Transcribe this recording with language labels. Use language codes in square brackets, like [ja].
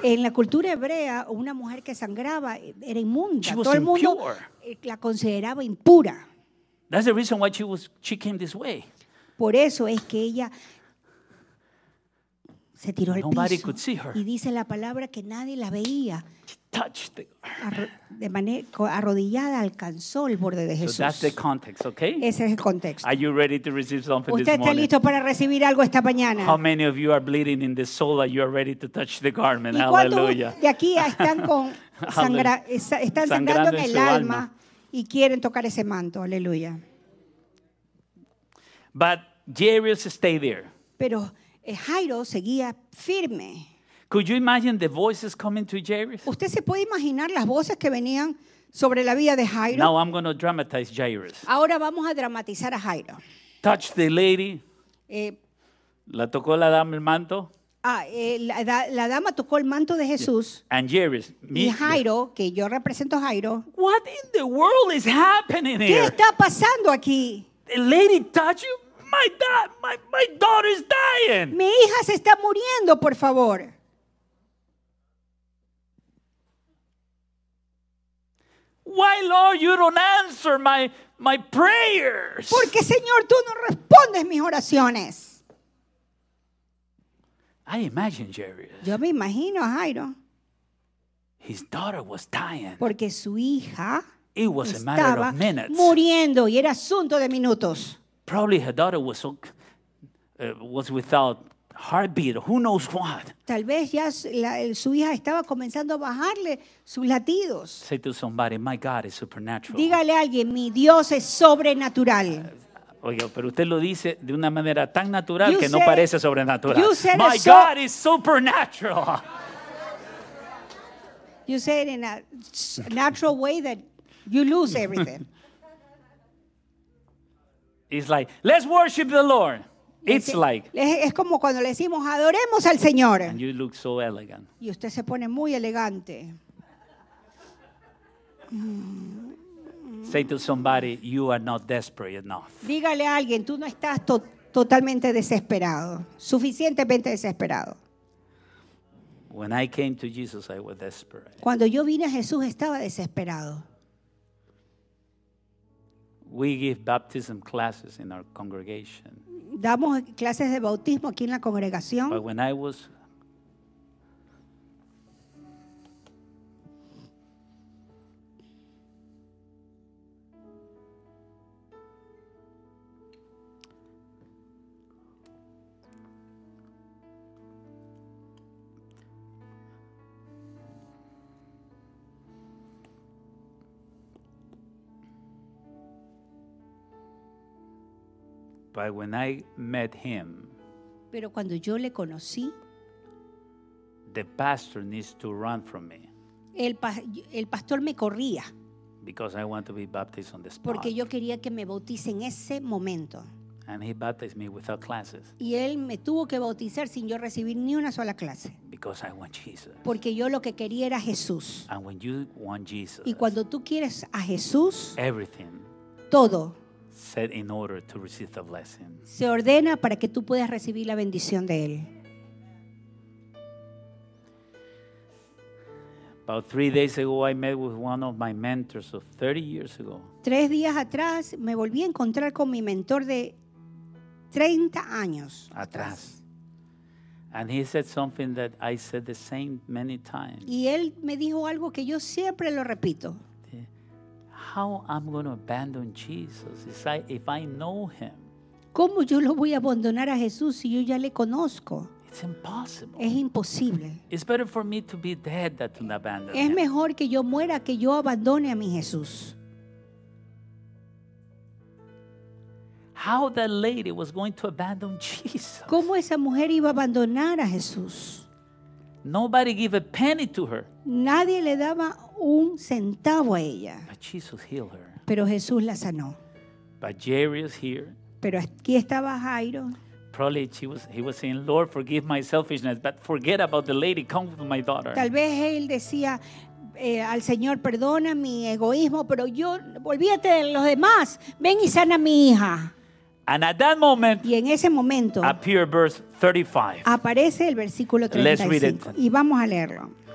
[es] En la cultura hebrea, una mujer que sangraba era inmunda. [en] She [es] todo [en] was [es] el mundo [en] impure. [es] La consideraba impura. [en] That's the reason why she came this way. [es] Por eso es que ella se tiró al [en] Nobody [es] piso. [en] Could see her. [es] Y dice la palabra que nadie la veía. [en] She touched the... [es] De manera arrodillada alcanzó el borde de Jesús. [en] So that's the context, okay? [es] Ese es el contexto. [en] Are you ready to receive something [es] ¿Usted [en] this [es] está [en] morning? [es] Listo para recibir algo esta mañana? [en] How many of you are bleeding in the soul that you are ready to touch the garment? [es] ¿Y [en] Hallelujah. [es] De aquí están con están sangrando en el alma y quieren tocar ese manto. Aleluya. [en] But Jairus stayed there. [es] Pero Jairo seguía firme. [en] Could you imagine the voices coming to Jairus? [es] ¿Usted se puede imaginar las voces que venían sobre la vida de Jairo? [en] Now I'm going to dramatize Jairus. [es] Ahora vamos a dramatizar a Jairo. [en] Touch the lady. [es] La tocó la dama el manto. La dama tocó el manto de Jesús. [en] Yeah. And Jairus. [es] Y Jairo, yeah. Que yo represento a Jairo. [en] What in the world is happening here? [es] ¿Qué está pasando aquí? [en] The lady touched you? My daughter is dying. [es] Mi hija se está muriendo, por favor. [en] Why, Lord, you don't answer my prayers? [es] Porque, Señor, tú no respondes mis oraciones. [en] I imagine Jairus. [es] Yo me imagino a Jairo. [en] His daughter was dying. [es] Porque su hija [en] It was [es] estaba [en] a matter of minutes. [es] Muriendo y era asunto de minutos. [en] Probably her daughter was without heartbeat or who knows what. [es] Tal vez ya su hija estaba comenzando a bajarle sus latidos. [en] Say to somebody, my God is supernatural. [es] Dígale a alguien, mi Dios es sobrenatural. Oye, pero usted lo dice de una manera tan natural que no parece sobrenatural. [en] You said my God is supernatural. You say it in a natural way that you lose everything. It's like, let's worship the Lord. It's like. [es] Es como cuando le decimos, adoremos al Señor. [en] And you look so elegant. [es] Y usted se pone muy elegante. [en] Say to somebody, you are not desperate enough. [es] Dígale a alguien, tú no estás totalmente desesperado. Suficientemente desesperado. [en] When I came to Jesus, I was desperate. [es] Cuando yo vine a Jesús, estaba desesperado. [en] We give baptism classes in our congregation. [es] Damos clases de bautismo aquí en la congregación. [en] But when I was But when I met him, [es] pero cuando yo le conocí, [en] the pastor needs to run from me. [es] El pastor me corría. [en] Because I want to be baptized on the spot. [es] Porque yo quería que me bautice en ese momento. [en] And he baptized me without classes. [es] Y él me tuvo que bautizar sin yo recibir ni una sola clase. [en] Because I want Jesus. [es] Porque yo lo que quería era Jesús. [en] And when you want Jesus, [es] y cuando tú quieres a Jesús, [en] everything, [es] todo. [en] Set in order to receive the blessing. [es] Se ordena para que tú puedas recibir la bendición de él. [en] About 3 days ago, I met with one of my mentors of 30 years ago. [es] 3 días atrás me volví a encontrar con mi mentor de 30 años. Atrás. [en] And he said something that I said the same many times. [es] Y él me dijo algo que yo siempre lo repito. [en] how I'm going to abandon Jesus if I know him? [es] ¿Cómo yo lo voy a abandonar a Jesús si yo ya le conozco? [en] It's impossible. [es] Es imposible. [en] It's better for me to be dead than to abandon him. [es] Es mejor que yo muera que yo abandone a mi Jesús. [en] How that lady was going to abandon Jesus? [es] ¿Cómo esa mujer iba a abandonar a Jesús? [en] Nobody gave a penny to her. [es] Nadie le daba un centavo a ella. [en] But Jesus healed her. [es] Pero Jesús la sanó. [en] But Jairus here. [es] Pero aquí estaba Jairo. [en] Probably he was saying, "Lord, forgive my selfishness, but forget about the lady. Come with my daughter." [es] Tal vez él decía al Señor, "Perdona mi egoísmo, pero yo olvídate de los demás. Ven y sana a mi hija." [en] And at that moment, [es] y en ese momento, [en] appeared verse 35. [es] Aparece el versículo 35. [en] Let's read it. [es] Y vamos a leerlo.